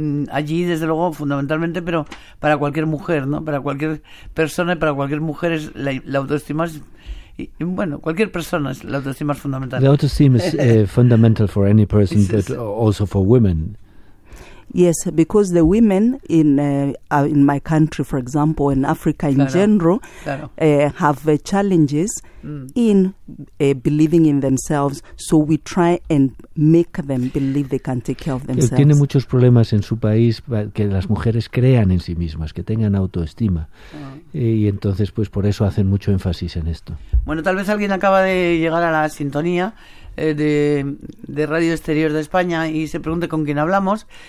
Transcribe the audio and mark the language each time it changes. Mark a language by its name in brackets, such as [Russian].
[Spanish] Allí, desde luego, fundamentalmente, pero para cualquier mujer, ¿no? Para cualquier persona y para cualquier mujer es la autoestima es, bueno, cualquier persona, la autoestima es fundamental. [English] The autoestima is fundamental for any person, but also for women. Yes, because the women in my country, for example, in Africa in general, have challenges in believing in themselves. So we try and make them believe they can take care of themselves. [Spanish] Tiene muchos problemas en su país que las mujeres crean en sí mismas, que tengan autoestima. Y entonces, pues por eso hacen mucho énfasis en esto. Bueno, tal vez alguien acaba de llegar a la sintonía de Radio Exterior de España y se pregunte con quién hablamos.